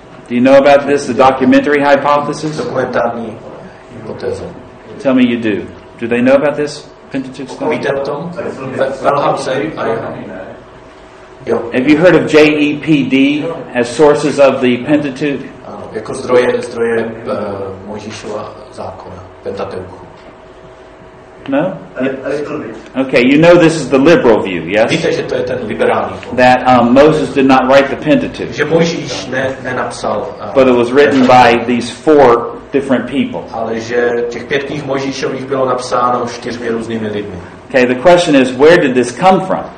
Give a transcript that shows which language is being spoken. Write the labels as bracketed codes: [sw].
[en] Do you know about this, the documentary hypothesis? [cs] Dokumentární hypotéza. [en] Tell me you do. Do they know about this? Pentateuch [cs] story? Víte o tom? Wellhausen? [en] Have you heard of JEPD as sources of the Pentateuch? [cs] Jako zdroje Mojžíšova zákona, Pentateuch. [en] No? Yeah. Okay, you know this is the liberal view, yes? [cs] Víte, že to je ten liberální. [en] That Moses did not write the Pentateuch. [cs] Že Mojžíš nenapsal. [en] But it was written by these four different people. [cs] Ale že těch pět knih Mojžíšových bylo napsáno čtyřmi různými lidmi. [en] Okay, the question is, where did this come from?